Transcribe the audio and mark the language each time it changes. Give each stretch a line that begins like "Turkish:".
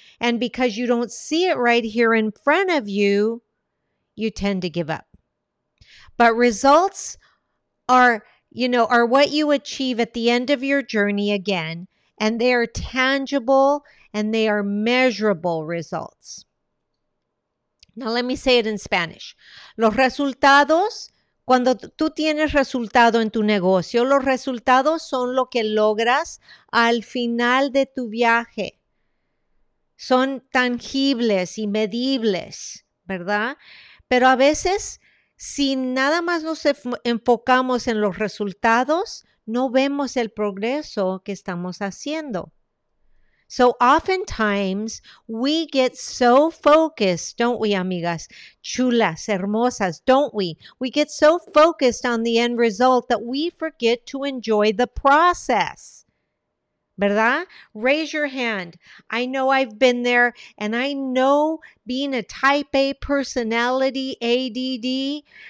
English: And because you don't see it right here in front of you, you tend to give up. But results are what you achieve at the end of your journey again. And they are tangible and they are measurable results. Now, let me say it in Spanish.
Spanish: Los resultados, cuando tú tienes resultado en tu negocio, los resultados son lo que logras al final de tu viaje. Son tangibles y medibles, ¿verdad? Pero a veces, si nada más nos enfocamos en los resultados, no vemos el progreso que estamos haciendo.
English: So oftentimes we get so focused, don't we, amigas?
Spanish: Chulas, hermosas,
English: don't we? We get so focused on the end result that we forget to enjoy the process.
Spanish: ¿Verdad?
English: Raise your hand. I know I've been there, and I know being a type A personality, ADD,